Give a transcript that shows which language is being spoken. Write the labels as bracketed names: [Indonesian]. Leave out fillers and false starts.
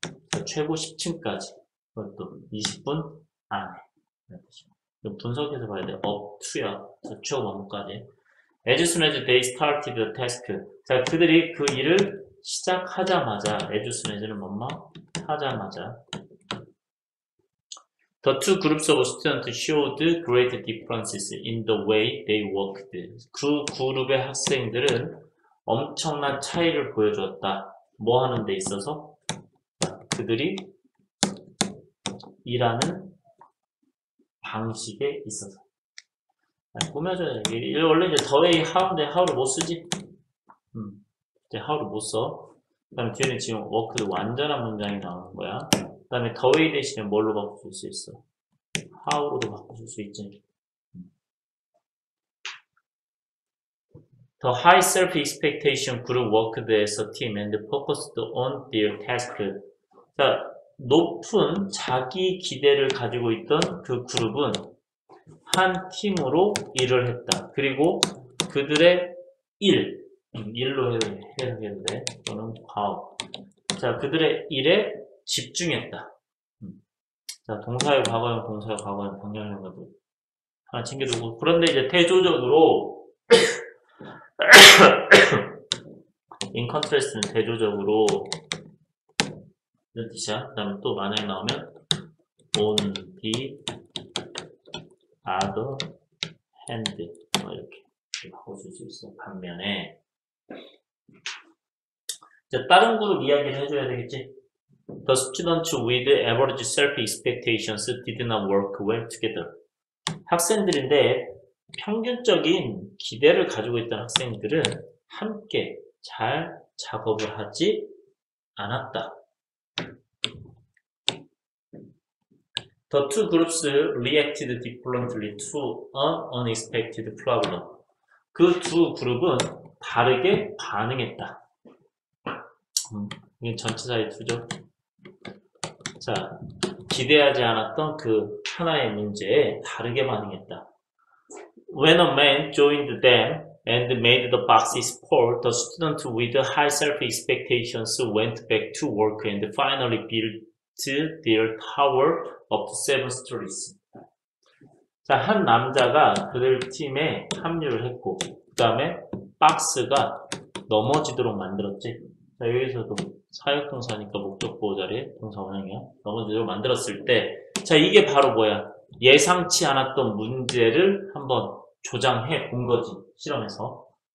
[Korean] 자, 최고 10층까지. 그것도 20분 안에. 이거 분석해서 봐야 돼. up to야. 자, 최고 뭐뭐까지. [English] As soon as they started the task. [Korean] 자, 그들이 그 일을 시작하자마자. [English] As soon as [Korean] 는 뭐뭐 하자마자. [English] The two groups of students showed great differences in the way they worked. [Korean] 그 그룹의 학생들은 엄청난 차이를 보여주었다. 뭐 하는 데 있어서? 그들이 일하는 방식에 있어서. 꾸며줘야 돼. 원래 이제 더웨이 하운데 하우를 못 쓰지? 이제 하우를 못 써. 그 다음에 뒤에는 지금 워크드 완전한 문장이 나오는 거야. 그 다음에 더웨이 대신에 뭘로 바꿀 수 있어? 하우로도 바꿀 수 있지. [English] The high self-expectation group worked as a team and focused on their task. [Korean] 자, 높은 자기 기대를 가지고 있던 그 그룹은 한 팀으로 일을 했다. 그리고 그들의 일로 해야겠는데, 또는 과업. 자, 그들의 일에 집중했다. 자, 동사의 과거형, 동사의 과거형, 병렬형과 도 하나 챙겨두고, 그런데 이제 대조적으로, [English] in contrast [Korean] 는 대조적으로, 이런 뜻이야. 그 다음에 또 만약에 나오면 [English] on the other hand [Korean] 뭐 이렇게 바꿔줄 수 있어. 반면에 자, 다른 그룹 이야기를 해줘야 되겠지. [English] The student with average self expectations did not work well together. [Korean] 학생들인데 평균적인 기대를 가지고 있던 학생들은 함께 잘 작업을 하지 않았다. [English] The two groups reacted differently to an unexpected problem. [Korean] 그 두 그룹은 다르게 반응했다. 이게 전치사의 두죠. 자, 기대하지 않았던 그 하나의 문제에 다르게 반응했다. [English] When a man joined them and made the boxes fall, the student with high self-expectations went back to work and finally built their tower of seven stories. [Korean] 자, 한 남자가 그들 팀에 합류를 했고, 그 다음에 박스가 넘어지도록 만들었지. 자, 여기서도 사역동사니까 목적보호자리 동사원형이야. 넘어지도록 만들었을 때, 자, 이게 바로 뭐야? 예상치 않았던 문제를 한번 조장해 본 거지, 실험에서.